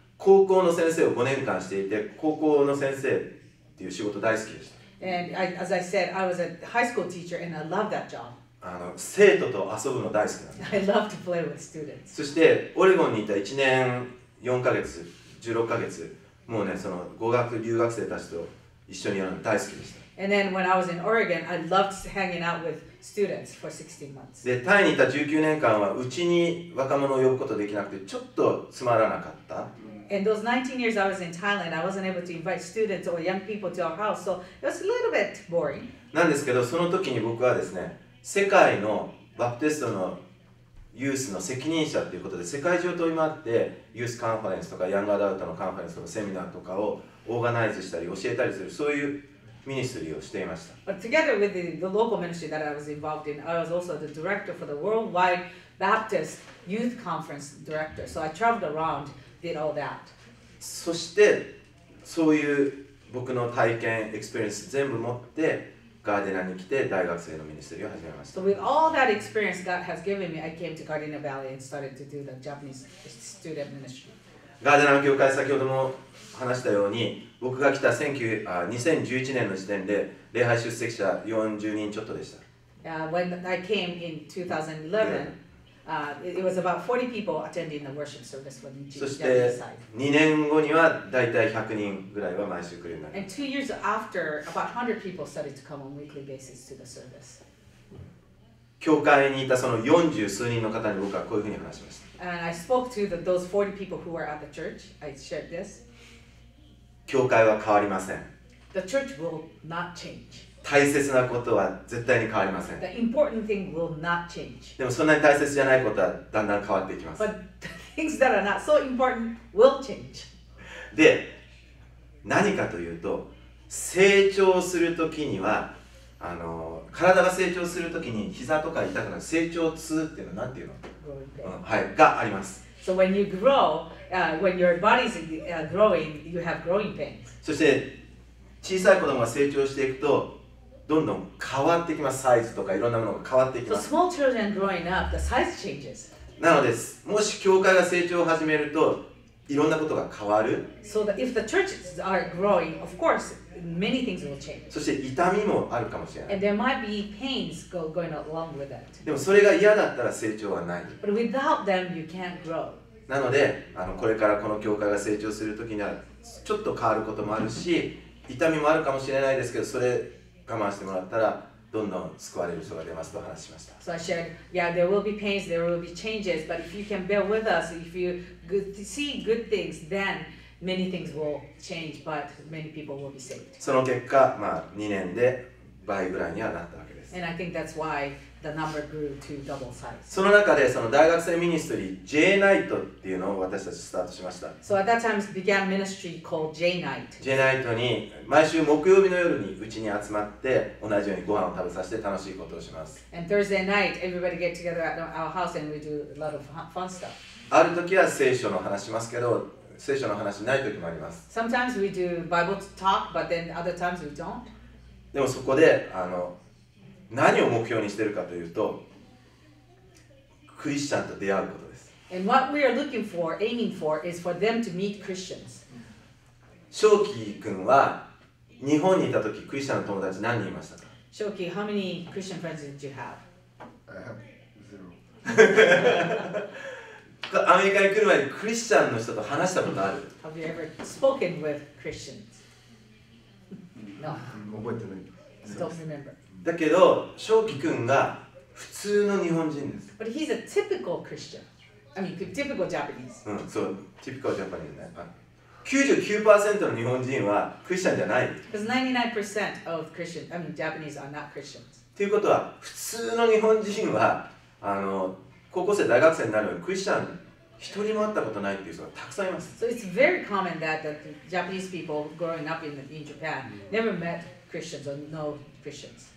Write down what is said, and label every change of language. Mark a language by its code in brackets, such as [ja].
[ja] 高校の先生を5年間していて、高校の先生っていう仕事大好きでした。 [en] And as I said, I was a high school teacher and I loved that job. [ja] 生徒と遊ぶの大好きなんです。 [en] I love to play with students. [ja] そして、オレゴンにいた1年4ヶ月、16ヶ月、もうね、その語学留学生たちと一緒にやるの大好きでした。 [en] And then when I was in Oregon, I loved hanging out with students for 16 months. [ja] で、タイにいた19年間は、うちに若者を呼ぶことできなくて、ちょっとつまらなかった。 [en] And those 19 years I was in Thailand, I wasn't able to invite students or young people to our house, so it was a little bit boring. [ja] なんですけど、その時に僕はですね、世界のバプテストのユースの責任者ということで、世界中飛び回って、ユースカンファレンスとか、ヤングアダルトのカンファレンスとか、セミナーとかをオーガナイズしたり、教えたりする、そういうミニストリーをしていました。 [en] But together with the local ministry that I was involved in, I was also the director for the Worldwide Baptist Youth Conference Director, so I traveled around. Did all that. [ja] そしてそういう僕の体験、エクスペリエンス全部持ってガーデナーに来て大学生のミニストリーを始めました。 [en] So with all that experience God has given me, I came to Gardena Valley and started to do the Japanese student ministry. [ja] ガーデナー教会、先ほども話したように、僕が来た2011年の時点で礼拝出席者40人ちょっとでした。 [en] When I came in 2011. It was about 40 people attending the worship service for Japanese side. [ja] そして2年後にはだいたい100人ぐらいは毎週来るようになる。 [en] And 2 years after, about 100 people started to come on a weekly basis to the service. [ja] 教会にいたその40数人の方に僕はこういうふうに話しました。 [en] And I spoke to those 40 people who were at the church. I shared this. [ja] 教会は変わりません。 [en] The church will not change. [ja] 大切なことは絶対に変わりません。 [en] The important thing will not change. [ja] でもそんなに大切じゃないことはだんだん変わっていきます。 [en] But the things that are not so important will change. [ja] で、何かというと、成長するときには体が成長するときに膝とか痛くなる成長痛っていうのは何ていうの、はい、があります。 [en] So when you grow, when your body's growing, you have growing pains. [ja] そして小さい子供が成長していくと、どんどん変わってきます。サイズとかいろんなものが変わっていきます。 [en] So small children growing up, the size changes. [ja] なので、もし教会が成長を始めるといろんなことが変わる。 [en] So that if the churches are growing, of course, many things will change. [ja] そして痛みもあるかもしれない。 [en] And there might be pains going along with that. [ja] でもそれが嫌だったら成長はない。 [en] But without them, you can't grow. [ja] なので、これからこの教会が成長するときにはちょっと変わることもあるし、痛みもあるかもしれないですけど、それ我慢してもらったらどんどん救われる人が出ますと話しました。 [en] So I shared, yeah, there will be pains, there will be changes, but if you can bear with us, if you see good things, then many things will change, but many people will be saved. [ja] その結果、2年で倍ぐらいにはなったわけです。 [en] And I think that's why the number grew to double size. [ja] その中でその大学生ミニストリー J Night っていうのを私たちスタートしました。 [en] So at that time began ministry called J Night. [ja] J Night に毎週木曜日の夜にうちに集まって同じようにご飯を食べさせて楽しいことをします。 [en] And Thursday night everybody get together at our house and we do a lot of fun stuff. [ja] ある時は聖書の話しますけど、聖書の話ない時もあります。 [en] Sometimes we do Bible talk, but then other times we don't. [ja] でもそこで何を目標にしているかというと、クリスチャンと出会うことです。 [en] And what we are looking for, aiming for, is for them to meet Christians. [ja] 翔輝君は日本にいた時、クリスチャンの友達何人いましたか？ [en] 翔輝、how many Christian friends did you have? Zero. [ja] アメリカに来る前にクリスチャンの人と話したことある？ [en] Have you ever spoken with Christians? No. [ja] 覚えてない。 [en] Don't remember. [ja] だけど、翔輝君が普通の日本人です。 [en] But he's a typical Christian. I mean, typical Japanese. [ja] うん、そう。 [en] Typical Japanese [ja] ね。 99% の日本人はクリスチャンじゃない。 [en] Because 99% of Christians, I mean, Japanese are not Christians. [ja] ということは、普通の日本人は、高校生、大学生になるのにクリスチャン一人も会ったことないっていう人がたくさんいます。 [en] So it's very common that the Japanese people growing up in Japan never met Christians or no Christians.